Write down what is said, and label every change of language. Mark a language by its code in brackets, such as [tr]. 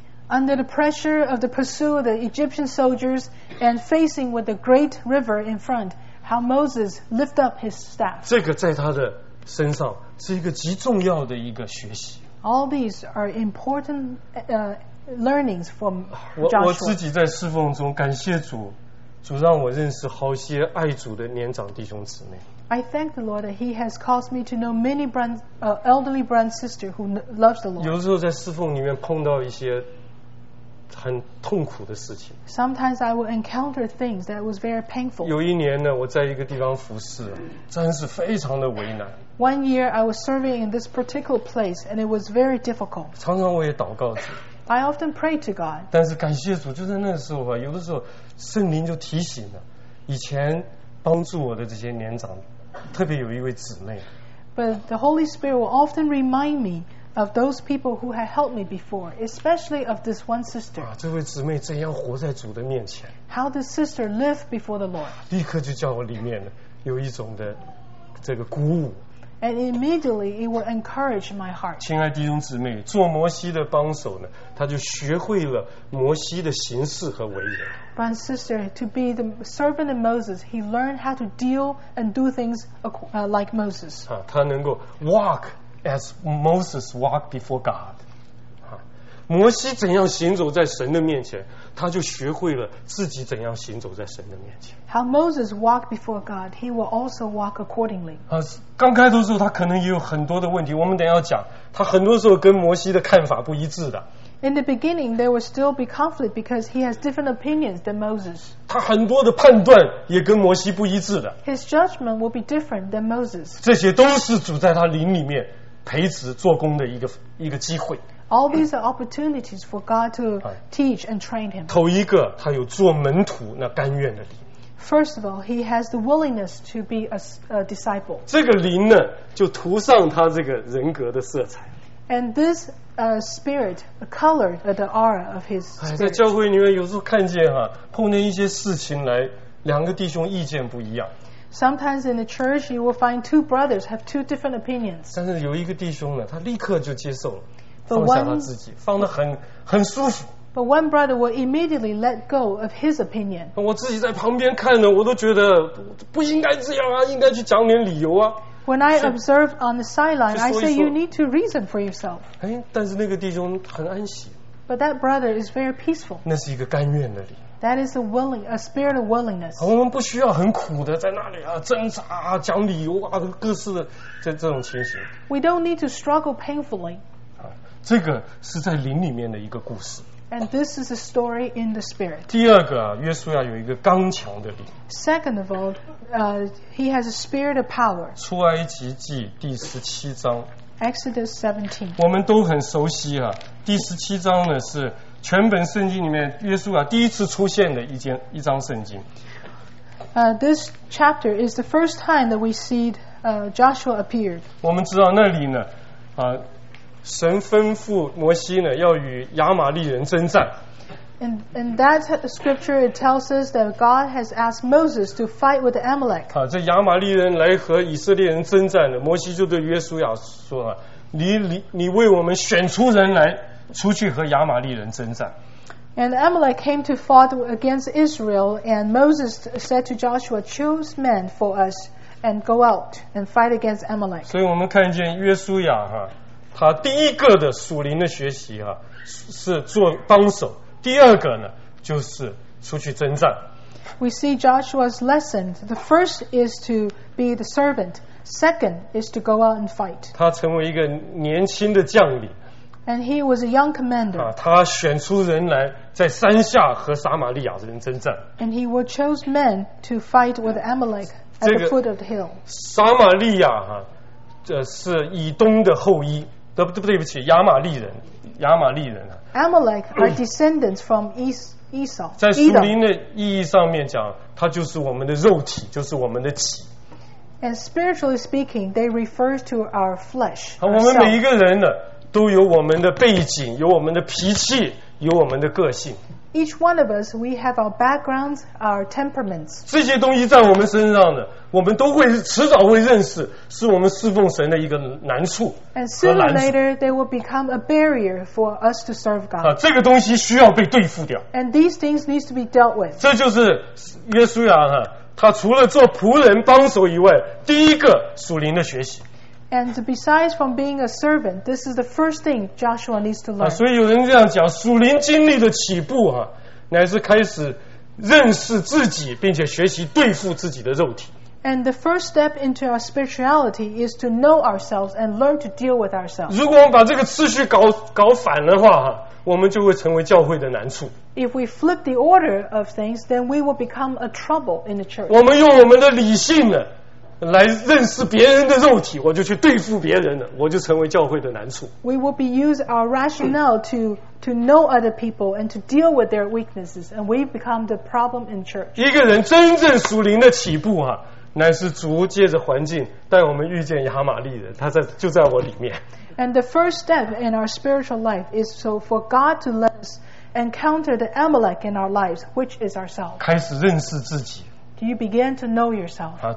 [en] Under the pressure of the pursuit of the Egyptian soldiers and facing with the great river in front, how Moses lift up his staff. [zh] 这个在他的身上是一个极重要的一个学习。 [en] All these are important learnings from Joshua. [zh] 我自己在侍奉中感谢主，主让我认识好些爱主的年长弟兄姊妹。 [en] I thank the Lord that He has caused me to know many elderly brother sister who loves the Lord. [zh] 有时候在侍奉里面碰到一些很痛苦的事情。 [en] Sometimes I will encounter things that was very painful. [zh] 有一年呢，我在一个地方服侍，真是非常的为难。 [en] One year I was serving in this particular place and it was very difficult. [zh] 常常我也祷告主。 [en] I often pray to God. [zh] 但是感谢主，就在那时候啊，有的时候圣灵就提醒了，以前帮助我的这些年长，特别有一位姊妹。 [en] But the Holy Spirit will often remind me. Of those people who had helped me before, especially of this one sister. [zh] 啊，这位姊妹怎样活在主的面前 [en] ？How the sister lived before the Lord? [zh] 立刻就叫我里面有一种的这个鼓舞。 [en] And immediately it will encourage my heart. [zh] 亲爱弟兄姊妹，做摩西的帮手呢，他就学会了摩西的行事和为人。 [en] My sister, to be the servant of Moses, he learned how to deal and do things like Moses. [zh] 啊，他能够 walk. [en] As Moses walked before God, [zh] 摩西怎样行走在神的面前，他就学会了自己怎样行走在神的面前。 [en] How Moses walked before God, he will also walk accordingly. [zh] 啊，刚开头的时候他可能也有很多的问题，我们等一下讲，他很多时候跟摩西的看法不一致的。 [en] In the beginning, there will still be conflict because he has different opinions than Moses. [zh] 他很多的判断也跟摩西不一致的。 [en] His judgment will be different than Moses. [zh] 这些都是主在他灵里面。培植做工的一个机会。 [en] All these are opportunities for God to teach and train him. [zh] 头一个，他有做门徒那甘愿的灵。 [en] First of all, he has the willingness to be a disciple. [zh] 这个灵呢，就涂上他这个人格的色彩。 [en] And this spirit, a color, the aura of his spirit. [zh] 在教会里面有时候看见哈，碰见一些事情来，两个弟兄意见不一样。 [en] Sometimes in the church, you will find two brothers have two different opinions. [zh] 但是有一个弟兄呢，他立刻就接受了，放下了自己，放得很舒服。 [en] But one brother will immediately let go of his opinion. [zh] 我自己在旁边看呢，我都觉得不应该这样啊，应该去讲点理由啊。 [en] When I observe on the sideline, I say you need to reason for yourself. [zh] 哎，但是那个弟兄很安息。 [en] But that brother is very peaceful. [zh] 那是一个甘愿的理。 [en] That is a willing, a spirit of willingness. [zh] 我们不需要很苦的在那里啊挣扎啊讲理由啊各式的这种情形。 [en] We don't need to struggle painfully. [zh] 这个是在灵里面的一个故事。 [en] And this is a story in the spirit. [zh] 第二个，约书亚有一个刚强的灵。 [en] Second of all, he has a spirit of power. [zh] 出埃及记第十七章。 [en] Exodus 17. [zh] 我们都很熟悉啊，第十七章呢是全本圣经里面约书亚第一次出现的一章圣经。 [en] This chapter is the first time that we see Joshua appeared. [zh] 我们知道那里呢，神吩咐摩西呢要与亚玛利人征战。 [en] In that scripture, it tells us that God has asked Moses to fight with the Amalek. [zh] 啊，这亚玛利人来和以色列人征战的，摩西就对约书亚说了：“你为我们选出人来。” 出去和亚玛利人征战。 [en] And Amalek came to fight against Israel, and Moses said to Joshua, "Choose men for us and go out and fight against Amalek." [zh] 所以我们看见约书亚哈，他第一个的属灵的学习哈，是做帮手；第二个呢，就是出去征战。 [en] We see Joshua's lesson. The first is to be the servant. Second is to go out and fight. [zh] 他成为一个年轻的将领。 [en] And he was a young commander. [zh] 他选出人来在山下和撒玛利亚人征战。 [en] And he will chose men to fight with Amalek at the foot of the hill. [zh] 撒玛利亚是以东的后裔，对不起，亚玛利人，亚玛利人。 [en] Amalek are descendants from Esau. [zh] 在属灵的意义上面讲，他就是我们的肉体，就是我们的体。 [en] And spiritually speaking, they refer to our flesh. [zh] 我们每一个人呢都有我们的背景，有我们的脾气，有我们的个性。 [en] Each one of us, we have our backgrounds, our temperaments. [zh] 这些东西在我们身上呢，我们都会迟早会认识，是我们侍奉神的一个难处和难处。 [en] And sooner or later, they will become a barrier for us to serve God. [zh] 这个东西需要被对付掉。 [en] And these things need to be dealt with. [zh] 这就是约书亚哈，他除了做仆人帮手以外，第一个属灵的学习。 [en] And besides from being a servant, this is the first thing Joshua needs to learn. [zh] 所以有人这样讲，属灵经历的起步啊，乃是开始认识自己，并且学习对付自己的肉体。 [en] And the first step into our spirituality is to know ourselves and learn to deal with ourselves. [zh] 如果我们把这个次序搞反的话啊，我们就会成为教会的难处。 [en] If we flip the order of things, then we will become a trouble in the church. [zh] 我们用我们的理性呢来认识别人的肉体，我就去对付别人了，我就成为教会的难处。 [en] We will be use our rationale to know other people and to deal with their weaknesses, and we become the problem in church. [zh] 一个人真正属灵的起步啊，乃是逐借着环境带我们遇见亚玛利人，他在就在我里面。 [en] And the first step in our spiritual life is so for God to let us encounter the Amalek in our lives, which is ourselves. [zh] 开始认识自己。 [en] You begin to know yourself.